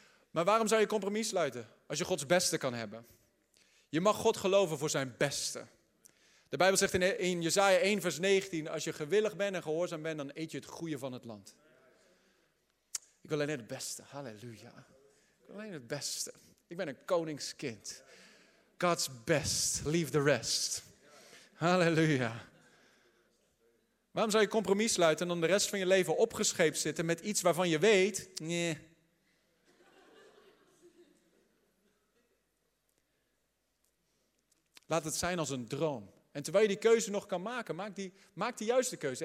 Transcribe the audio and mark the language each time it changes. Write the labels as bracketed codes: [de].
[nl] Maar waarom zou je compromis sluiten als je Gods beste kan hebben? Je mag God geloven voor zijn beste. De Bijbel zegt in Jesaja 1 vers 19, als je gewillig bent en gehoorzaam bent, dan eet je het goede van het land. Ik wil alleen het beste, halleluja. Ik wil alleen het beste. Ik ben een koningskind. [en] God's best, leave the rest. [nl] Halleluja. Waarom zou je compromis sluiten en dan de rest van je leven opgescheept zitten met iets waarvan je weet, nee. Laat het zijn als een droom. En terwijl je die keuze nog kan maken, maak de juiste keuze.